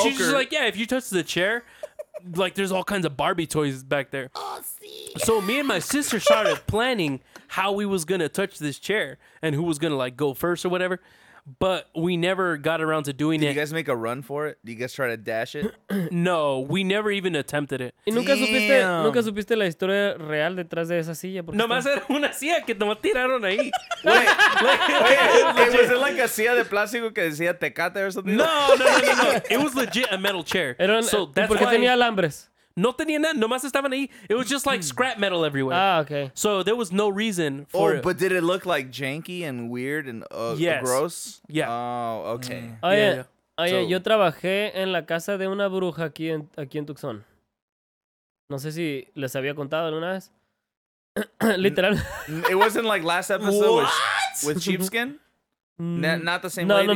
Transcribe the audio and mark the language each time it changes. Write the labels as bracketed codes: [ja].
[en] She's just like, yeah, if you touch the chair, like there's all kinds of Barbie toys back there. [es] Oh, sí. [en] So me and my sister started planning how we was going to touch this chair and who was going to like go first or whatever. But we never got around to doing it. Did you guys make a run for it? Did you guys try to dash it? No, we never even attempted it. [es] ¿Y nunca supiste? ¿Nunca supiste la historia real detrás de esa silla? Nomás era una silla que nomás tiraron ahí. [en] Wait, was it like a [es] silla de plástico que decía [en] Tecate or something? No. It was legit a metal chair. So that's [es] porque [en] why [es] tenía alambres. No tenía nada, nomás estaban ahí. [en] It was just like scrap metal everywhere. Ah, okay. So there was no reason for it. Oh, but did it look like janky and weird and yes. Gross? Yeah. Oh, okay. [es] Oye, yo trabajé en la casa de una bruja aquí en Tucson. No sé si les había contado alguna vez. Literal. [en] It wasn't like last episode. What? With sheepskin? not the same no, lady?